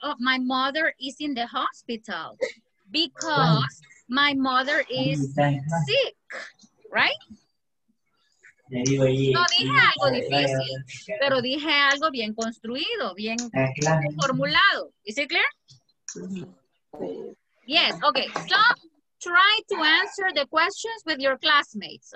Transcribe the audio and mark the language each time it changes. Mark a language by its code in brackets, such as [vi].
[en] Oh, my mother is in the hospital because my mother is sick, right? [es] No dije algo difícil, pero dije algo bien construido, bien formulado. [en] Is it clear? Yes, okay. So try to answer the questions with your classmates.